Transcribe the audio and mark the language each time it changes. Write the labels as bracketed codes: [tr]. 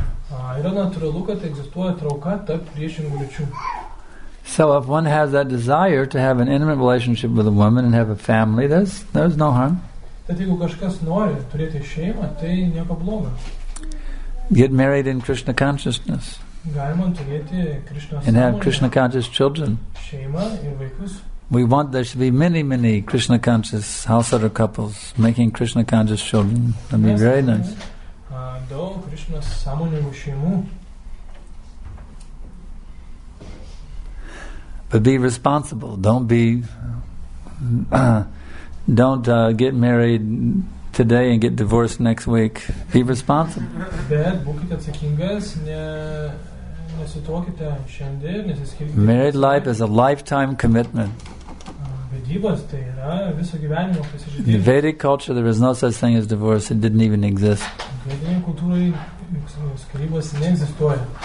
[lt] Yra natūralu, kad egzistuoja trauka tarp priešingų lyčių. [en] So if one has that desire to have an intimate relationship with a woman and have a family, there's no harm. [lt] Bet jeigu kažkas nori turėti šeimą, tai nieko blogo. [en] Get married in Krishna consciousness. [lt] Galima turėti Krishna [en] and have Krishna conscious children. [lt] Šeimą ir vaikus. [en] We want there should be many, many Krishna conscious householder couples making Krishna conscious children. That'd be very nice. [lt] Daug Krishna sąmoningų šeimų. [en] But be responsible. Don't be get married today and get divorced next week. Be responsible. [lt] Bet būkite atsakingas, nesituokite šiandien, nesiskirkite. [en] Married life is a lifetime commitment. [lt] Vedybos tai yra viso gyvenimo pasižadėjimas. [en] In Vedic culture there is no such thing as divorce. It didn't even exist. [lt] Vedinėje kultūroje skyrybos neegzistuoja.